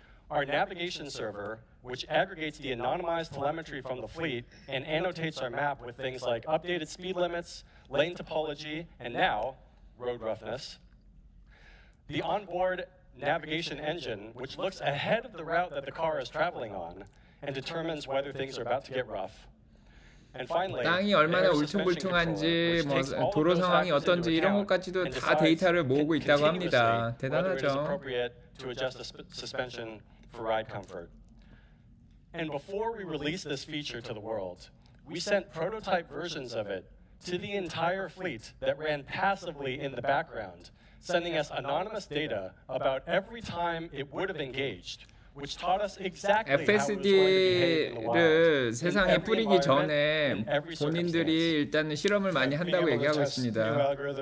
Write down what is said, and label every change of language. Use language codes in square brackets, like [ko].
[en] Our navigation server, which aggregates the anonymized telemetry from the fleet and annotates our map with things like updated speed limits, lane topology, and now, road roughness. The onboard navigation engine, which looks ahead of the route that the car is traveling on and determines whether things are about to get rough. And finally, [ko] 땅이 얼마나 울퉁불퉁한지, 뭐 도로 상황이 어떤지 이런 것까지도 다 데이터를 모으고 있다고 합니다. 대단하죠. [en] To adjust the suspension for ride comfort. And before we released this feature to the world, we sent prototype versions of it to the entire fleet that ran passively in the background, sending us anonymous data about every time it would have engaged. Which taught us exactly [ko] FSD를 세상에 뿌리기 전에 본인들이 일단은 실험을 많이 한다고 얘기하고 있습니다.